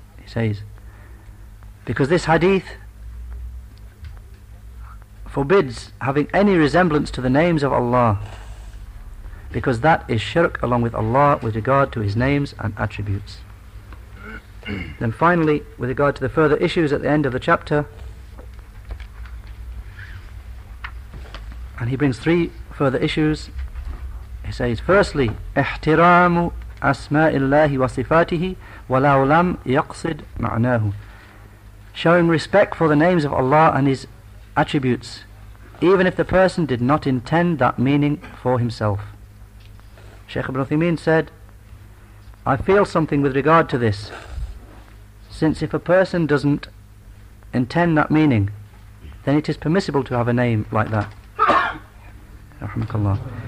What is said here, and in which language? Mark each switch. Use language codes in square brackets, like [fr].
[en] He says, because this hadith forbids having any resemblance to the names of Allah, because that is shirk along with Allah with regard to His names and attributes. Then finally, with regard to the further issues at the end of the chapter, and he brings 3 further issues. He says, firstly, [ar] احترام أسماء الله وصفاته ولو لم يقصد معناه. [en] showing respect for the names of Allah and His attributes, even if the person did not intend that meaning for himself. Shaykh Ibn Uthaymeen said, I feel something with regard to this, since if a person doesn't intend that meaning, then it is permissible to have a name like that. Rahmatullah.